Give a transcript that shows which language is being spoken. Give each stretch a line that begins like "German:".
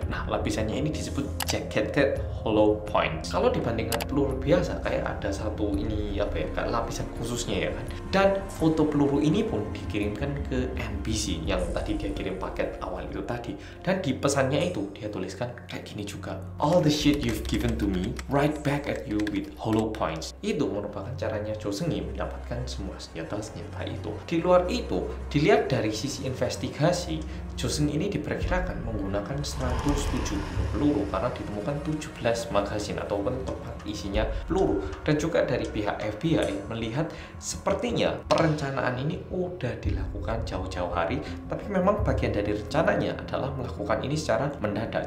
Indonesian: Nah, lapisannya ini disebut jacketed hollow point. Kalau dibandingkan peluru biasa, kayak ada satu ini apa ya, kayak lapisan khususnya ya kan. Dan foto peluru ini pun dikirimkan ke NBC yang tadi dia kirim paket awal itu tadi. Dan di pesannya itu, dia tuliskan kayak gini juga.
English: All the shit you've given to me, right back at you with hollow points.
Indonesian: Itu merupakan caranya Cho Seung-hee mendapatkan semua senjata-senjata itu. Di luar itu, dilihat dari sisi investigasi, Cho Seung-hee ini diperkirakan menggunakan 170 peluru karena ditemukan 17 magazin ataupun tempat isinya peluru. Dan juga dari pihak FBI melihat sepertinya perencanaan ini udah dilakukan jauh-jauh hari, tapi memang bagian dari rencananya adalah melakukan ini secara mendadak.